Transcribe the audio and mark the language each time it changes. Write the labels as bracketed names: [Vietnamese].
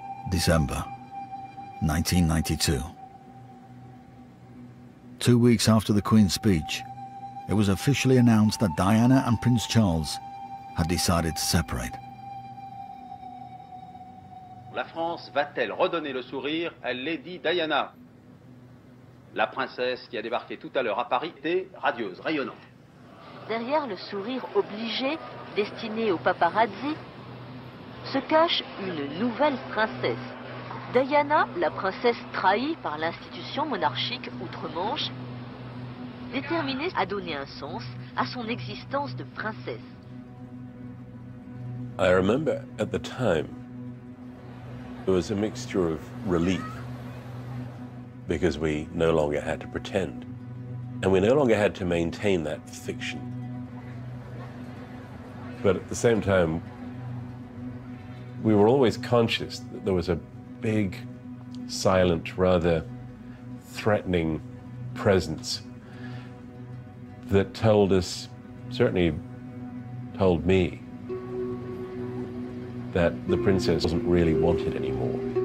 [English] December 1992. 2 weeks after the Queen's speech, it was officially announced that Diana and Prince Charles had decided to separate. [French] La France va-t-elle redonner le sourire à Lady Diana? La princesse qui a débarqué tout à l'heure à Paris était radieuse, rayonnante. Derrière le sourire obligé, destiné au paparazzi, se cache une nouvelle princesse. Diana, la princesse trahie par l'institution monarchique outre-Manche, déterminée à donner un sens à son existence de princesse. [English] I remember at the time, it was a mixture of relief because we no longer had to pretend and we no longer had to maintain that fiction. But at the same time, we were always conscious that there was a big, silent, rather threatening presence that told us, certainly told me, that the princess wasn't really wanted anymore.